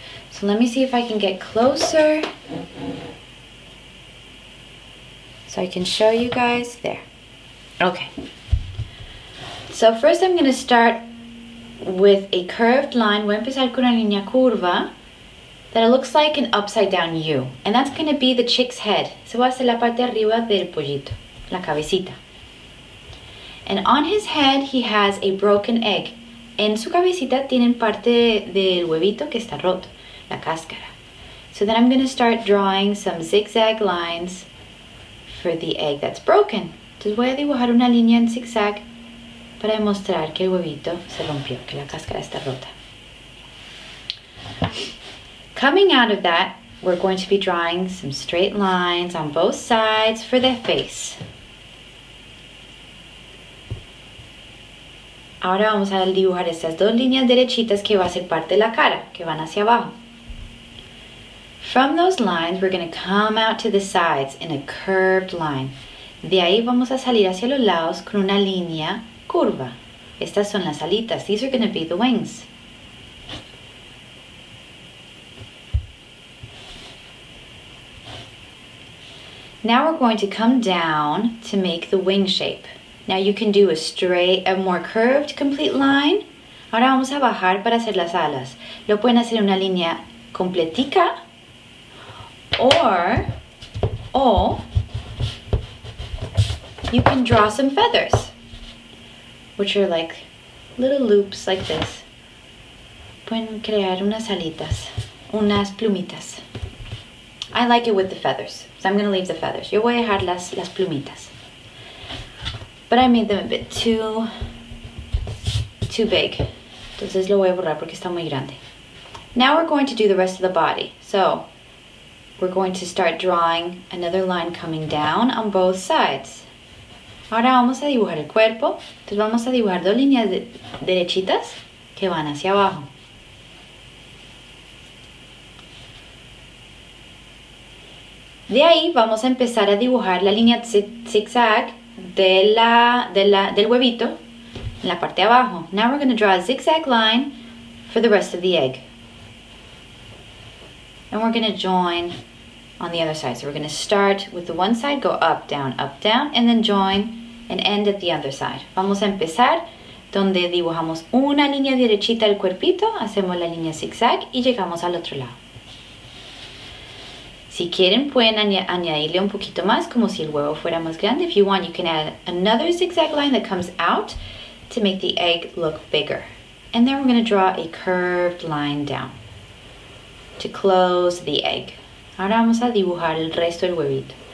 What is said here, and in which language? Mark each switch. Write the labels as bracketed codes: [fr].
[en] So let me see if I can get closer so I can show you guys. There. Okay. So first I'm going to start with a curved line. [es] Voy a empezar con una línea curva [en] that it looks like an upside down U. And that's going to be the chick's head. [es] Se va a hacer la parte arriba del pollito, la cabecita. [en] And on his head he has a broken egg. [es] En su cabecita tienen parte del huevito que está roto. La cáscara. [en] So then I'm going to start drawing some zigzag lines for the egg that's broken. [es] Entonces voy a dibujar una línea en zigzag para demostrar que el huevito se rompió, que la cáscara está rota. [en] Coming out of that, we're going to be drawing some straight lines on both sides for the face. [es] Ahora vamos a dibujar estas dos líneas derechitas que va a ser parte de la cara, que van hacia abajo. [en] From those lines, we're going to come out to the sides in a curved line. [es] De ahí vamos a salir hacia los lados con una línea curva. Estas son las alitas. [en] These are going to be the wings. Now we're going to come down to make the wing shape. Now you can do a straight, a more curved complete line. [es] Ahora vamos a bajar para hacer las alas. Lo pueden hacer en una línea completica. [en] Or you can draw some feathers, which are like little loops like this. [es] Pueden crear unas alitas, unas plumitas. [en] I like it with the feathers, so I'm going to leave the feathers. [es] Yo voy a dejar las plumitas. [en] But I made them a bit too big. [es] Entonces lo voy a borrar porque está muy grande. [en] Now we're going to do the rest of the body. So we're going to start drawing another line coming down on both sides. [es] Ahora vamos a dibujar el cuerpo. Entonces vamos a dibujar dos líneas derechitas que van hacia abajo. De ahí vamos a empezar a dibujar la línea zigzag del huevito en la parte de abajo. [en] Now we're going to draw a zigzag line for the rest of the egg. And we're going to join on the other side. So we're going to start with the one side, go up, down, and then join and end at the other side. [es] Vamos a empezar donde dibujamos una línea derechita del cuerpito, hacemos la línea zigzag y llegamos al otro lado. Si quieren, pueden añadirle un poquito más, como si el huevo fuera más grande. [en] If you want, you can add another zigzag line that comes out to make the egg look bigger. And then we're going to draw a curved line down to close the egg. [es] Ahora vamos a dibujar el resto del huevito.